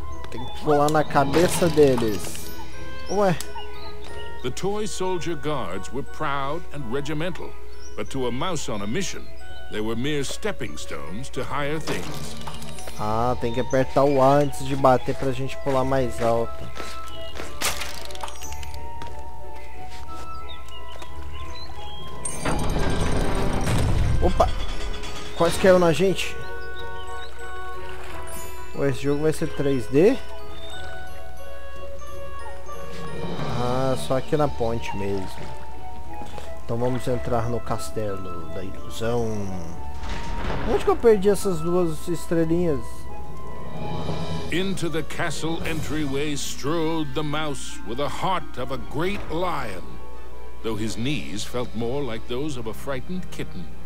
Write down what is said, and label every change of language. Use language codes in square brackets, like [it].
[pt] Tem que pular na cabeça deles. Ué. [en] The toy soldier guards were proud and regimental, but to a mouse on a mission, they were mere stepping stones to higher things. [pt] Ah, tem que apertar o A antes de bater pra gente pular mais alto. Opa! Quase caiu na gente. Esse jogo vai ser 3D? Ah, só aqui na ponte mesmo. Então vamos entrar no castelo da ilusão. Onde que eu perdi essas duas estrelinhas? [en] Into the castle entryway strode the mouse with a heart of a great lion, though his knees felt more like those of a frightened kitten.